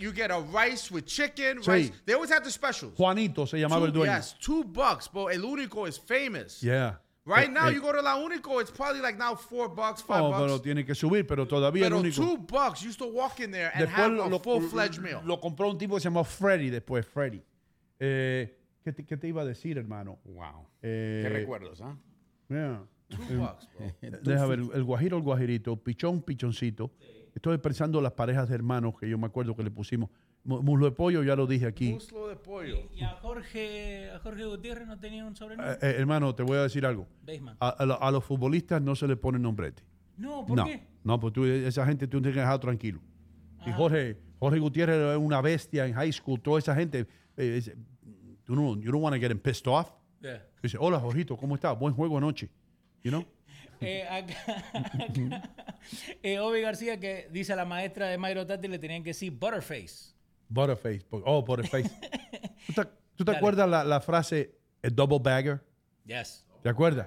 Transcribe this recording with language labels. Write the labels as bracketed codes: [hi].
[en] You get a rice with chicken. [es] Sí. [en] Rice. They always had the specials. [es] Juanito se llamaba el dueño. [en] Yes, $2. But El Único is famous. Yeah. Right now, you go to La Único, it's probably like now $4, $5. [es] No, pero tiene que subir, pero todavía pero El Único. Pero [en] $2, you used to walk in there and [es] después [en] have a full-fledged meal. [es] Lo compró un tipo que se llamó Freddy después, Freddy. ¿Qué te iba a decir, hermano? Wow. Qué recuerdos, ¿ah? [en] Yeah. $2, bro. [es] Deja ver, el guajiro, el guajirito, pichón, pichoncito. Sí. Estoy pensando las parejas de hermanos que yo me acuerdo que le pusimos. Muslo de pollo, ya lo dije aquí. Muslo de pollo. ¿Y a Jorge Gutiérrez no tenía un sobrenombre? Hermano, te voy a decir algo. Baseman. A los futbolistas no se les pone nombrete. No, ¿por qué? No, porque esa gente tú tienes que dejar tranquilo. Ah. Y Jorge Gutiérrez era una bestia en high school. Toda esa gente, [en] you don't want to get him pissed off. Yeah. [es] Dice, hola, Jorgito, ¿cómo estás? Buen juego anoche. [en] You know? [es] Acá, Obi García, que dice a la maestra de Mairo Tati, le tenían que decir Butterface. [en] Butterface. [es] Oh, Butterface. ¿Tú te acuerdas la frase, [en] a double bagger? Yes. [es] ¿Te acuerdas?